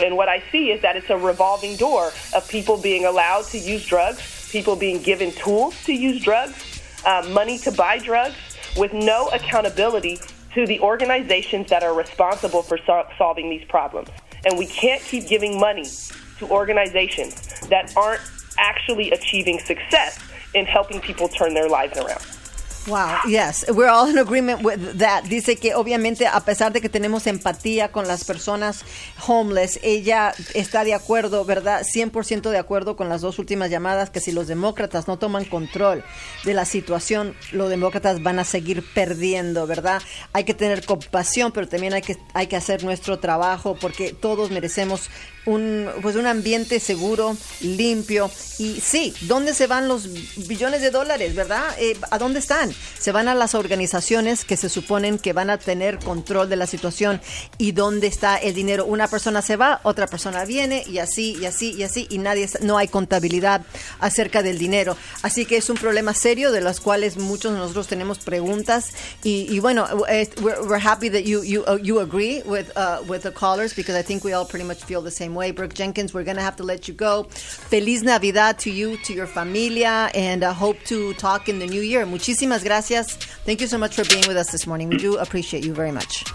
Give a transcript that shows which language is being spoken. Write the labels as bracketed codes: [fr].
[en] And what I see is that it's a revolving door of people being allowed to use drugs, people being given tools to use drugs, money to buy drugs, with no accountability to the organizations that are responsible for solving these problems. And we can't keep giving money to organizations that aren't actually achieving success in helping people turn their lives around. Wow, yes, we're all in agreement with that. [es] Dice que obviamente a pesar de que tenemos empatía con las personas homeless, ella está de acuerdo, ¿verdad? 100% de acuerdo con las dos últimas llamadas, que si los demócratas no toman control de la situación, los demócratas van a seguir perdiendo, ¿verdad? Hay que tener compasión, pero también hay que hacer nuestro trabajo, porque todos merecemos un ambiente seguro, limpio. Y sí, ¿dónde se van los billones de dólares, verdad? ¿A dónde están? Se van a las organizaciones que se suponen que van a tener control de la situación. ¿Y dónde está el dinero? Una persona se va, otra persona viene, y así, y así, y así, y nadie está, no hay contabilidad acerca del dinero. Así que es un problema serio de los cuales muchos de nosotros tenemos preguntas. Y bueno, [en] we're happy that you agree with the callers, because I think we all pretty much feel the same way. Brooke Jenkins, we're going to have to let you go. [es] Feliz Navidad [en] to you, to your familia, and I hope to talk in the new year. [es] Muchísimas gracias. [en] Thank you so much for being with us this morning. We do appreciate you very much.